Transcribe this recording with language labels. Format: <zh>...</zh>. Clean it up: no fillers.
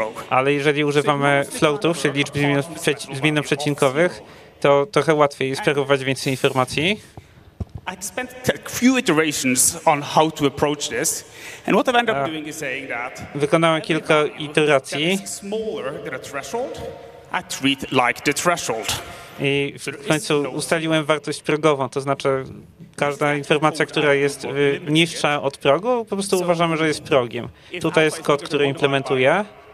<pl>Ale jeżeli używamy floatów, czyli liczb zmiennoprzecinkowych, to trochę łatwiej jest przechowywać więcej informacji.</pl> <en>I spent a few iterations on how to approach this, and what I've ended up doing is saying that.</en> <pl>Wykonałem kilka iteracji.</pl> <en>Smaller than a threshold, I treat like the threshold.</en> <pl>I w końcu ustaliłem wartość progową, to znaczy każda informacja, która jest niższa od progu, po prostu uważamy, że jest progiem. Tutaj jest kod, który implementuje.</pl>